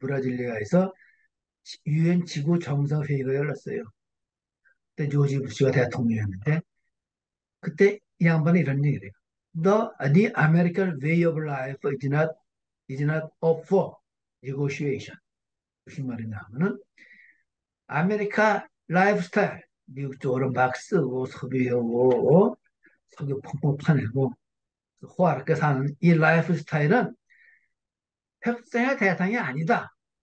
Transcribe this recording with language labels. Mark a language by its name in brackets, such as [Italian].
[Korean] 브라질리아에서 유엔 지구 정상 회의가 열렸어요. 그때 조지 부시가 대통령이었는데 그때 이 양반이 이런 얘기를 해요. [English] The American way of life is not up for negotiation. [Korean] 무슨 말이냐 하면은 아메리카 라이프스타일 미국 쪽으로 막 쓰고 소비하고 석유 펑펑 파내고 호화롭게 사는 이 라이프스타일은 협상의 대상이 아니다.